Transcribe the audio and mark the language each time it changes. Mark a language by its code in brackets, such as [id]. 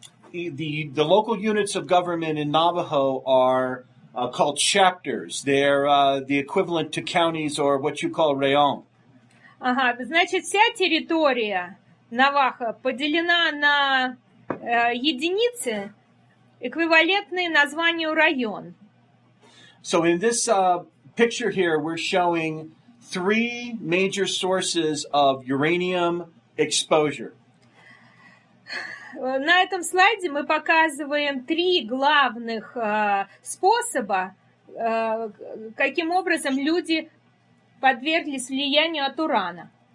[en] The local units of government in Navajo are called chapters. They're the equivalent to counties or what you call rayon. [ru] Ага, значит, вся территория Наваха поделена на единицы, эквивалентные названию район. [en] So in this picture here, we're showing three major sources of uranium exposure. [ru] На этом слайде мы показываем три главных способа, каким образом люди подверглись влиянию от урана.